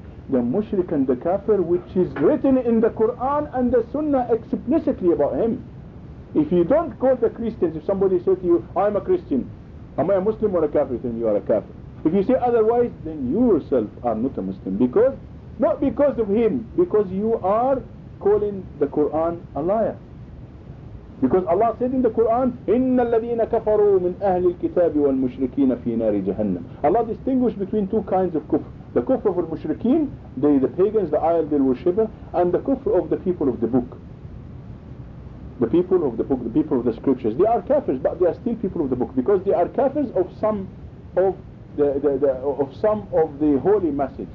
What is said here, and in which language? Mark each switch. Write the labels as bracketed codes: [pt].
[en] The mushrik and the kafir, which is written in the Quran and the Sunnah explicitly about him. If you don't call the Christians, if somebody says to you, I'm a Christian, am I a Muslim or a kafir? Then you are a kafir. If you say otherwise, then you yourself are not a Muslim. Because, not because of him, because you are calling the Quran a liar. Because Allah said in the Quran, [ar] إِنَّ الَّذِينَ كَفَرُوا مِنْ أَهْلِ الْكِتَابِ وَالْمُشْرِكِينَ فِي نَارِ جَهَنَّمَ. [en] Allah distinguished between two kinds of kufr. The kufr of al-mushrikeen, the pagans, the idol they worship, and the kufr of the people of the book. The people of the book, the people of the scriptures. They are kafirs, but they are still people of the book, because they are kafirs of some of the holy message.